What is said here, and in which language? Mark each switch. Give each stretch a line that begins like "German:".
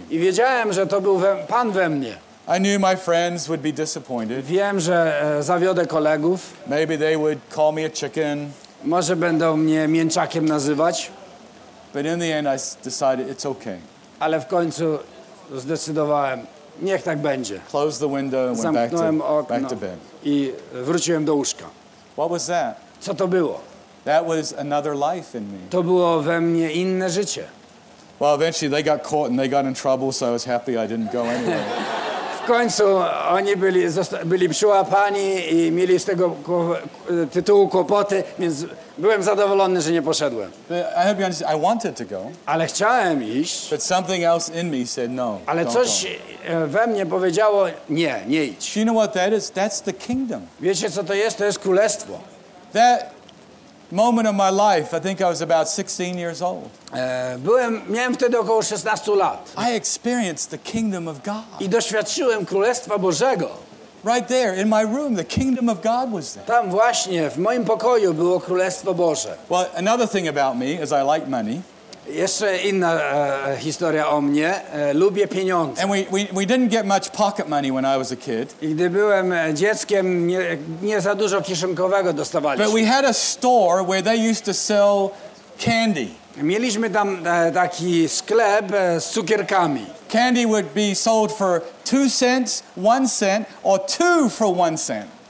Polish: I wiedziałem, że to był Pan we mnie.
English: I knew my friends would be disappointed.
Polish: Wiem, że zawiodę kolegów.
English: Maybe they would call me a chicken.
Polish: Może będą mnie mięczakiem nazywać.
English: But in the end I decided it's okay.
Polish: Ale w końcu zdecydowałem, niech tak będzie.
English: Closed the window and went back to bed.
Polish: I wróciłem do łóżka.
English: What was that?
Polish: Co to było?
English: That was another life in me.
Polish: To było we mnie inne życie.
English: Well, eventually they got caught and they got in trouble, so I was happy I didn't go anywhere.
Polish: W końcu oni byli przyłapani i mieli z tego tytułu kłopoty, więc byłem zadowolony, że nie poszedłem.
English: I hope you understand, I wanted to go.
Polish: Ale chciałem iść.
English: But something else in me said no.
Polish: Ale coś we mnie powiedziało nie, nie idź.
English: You know what that is? That's the kingdom.
Polish: Wiecie, co to jest? To jest królestwo.
English: That moment of my life, I think I was about 16 years old.
Polish: Miałem wtedy około 16 lat.
English: I experienced the kingdom of God.
Polish: I doświadczyłem Królestwa Bożego.
English: Right there in my room, the kingdom of God was there.
Polish: Tam właśnie w moim pokoju było Królestwo Boże.
English: Well, another thing about me is I like money.
Polish: Jeszcze inna historia o mnie. Lubię pieniądze.
English: And we didn't get much pocket money when I was a kid.
Polish: I gdy byłem dzieckiem, nie za dużo kieszonkowego dostawaliśmy.
English: But we had a store where they used to sell candy.
Polish: Mieliśmy tam taki sklep z cukierkami.
English: Candy would be sold for 2 cents, 1 cent, or 2 for 1 cent.